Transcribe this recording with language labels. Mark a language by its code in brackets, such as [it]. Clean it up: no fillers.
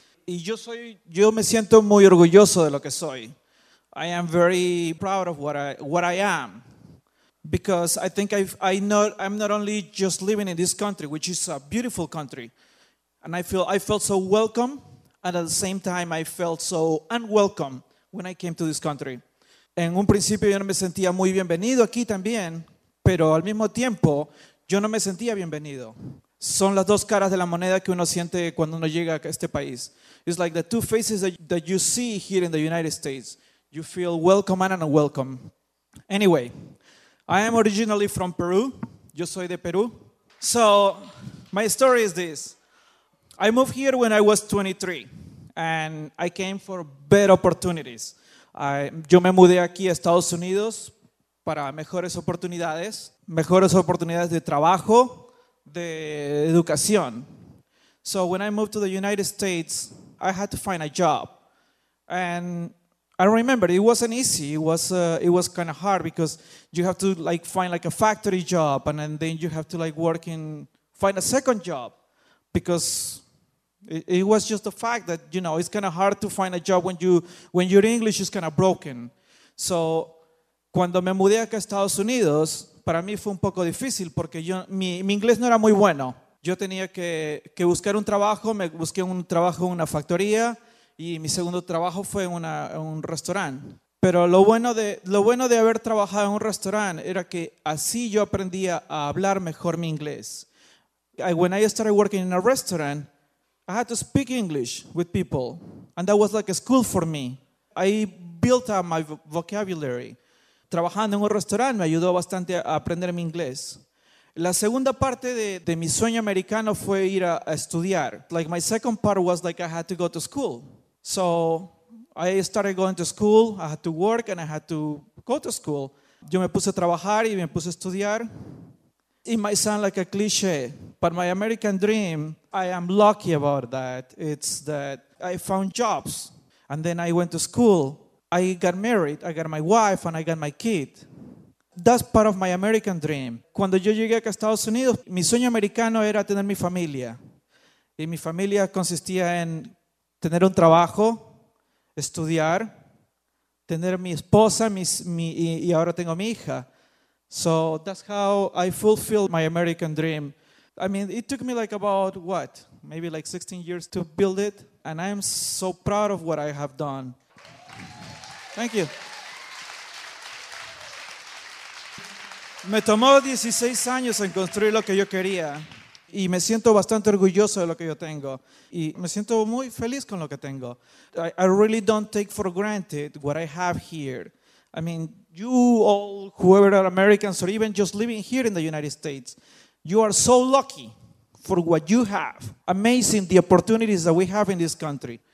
[es] Y yo me siento muy orgulloso de lo que soy. [en] I am very proud of what I am. Because I think I'm not only just living in this country, which is a beautiful country. And I felt so welcome. And at the same time, I felt so unwelcome when I came to this country. [es] En un principio, yo no me sentía muy bienvenido aquí también. Pero al mismo tiempo, yo no me sentía bienvenido. Son las dos caras de la moneda que uno siente cuando uno llega a este país. [en] It's like the two faces that you see here in the United States. You feel welcome and unwelcome. Anyway, I am originally from Peru. [es] Yo soy de Peru. [en] So my story is this. I moved here when I was 23, and I came for better opportunities. [es] Yo me mudé aquí a Estados Unidos para mejores oportunidades de trabajo, de educación. [en] So when I moved to the United States, I had to find a job. And I remember it wasn't easy. It was kind of hard because you have to like find like a factory job, and then you have to like find a second job, because it was just the fact that, you know, it's kind of hard to find a job when your English is kind of broken. [es] So cuando me mudé acá a Estados Unidos, para mí fue un poco difícil porque mi inglés no era muy bueno. Yo tenía que buscar un trabajo, me busqué un trabajo en una factoría y mi segundo trabajo fue en un restaurante. Pero lo bueno de haber trabajado en un restaurante era que así yo aprendía a hablar mejor mi inglés. [en] When I started working in a restaurant, I had to speak English with people, and that was like a school for me. I built up my vocabulary. [es] Trabajando en un restaurante me ayudó bastante a aprender mi inglés. La segunda parte de mi sueño americano fue ir a estudiar. [en] Like my second part was like I had to go to school. So I started going to school, I had to work and I had to go to school. [es] Yo me puse a trabajar y me puse a estudiar. [en] it might sound like a cliche, but my American dream, I am lucky about that. It's that I found jobs, and then I went to school. I got married, I got my wife, and I got my kid. That's part of my American dream. [es] Cuando yo llegué a Estados Unidos, mi sueño americano era tener mi familia. Y mi familia consistía en tener un trabajo, estudiar, tener mi esposa, y ahora tengo mi hija. [en] So that's how I fulfilled my American dream. I mean, it took me like about, what, maybe like 16 years to build it. And I am so proud of what I have done. Thank you. [es] Me tomó 16 años en construir lo que yo quería. Y me siento bastante orgulloso de lo que yo tengo. Y me siento muy feliz con lo que tengo. [en] I really don't take for granted what I have here. I mean, you all, whoever are Americans or even just living here in the United States, you are so lucky for what you have. Amazing the opportunities that we have in this country.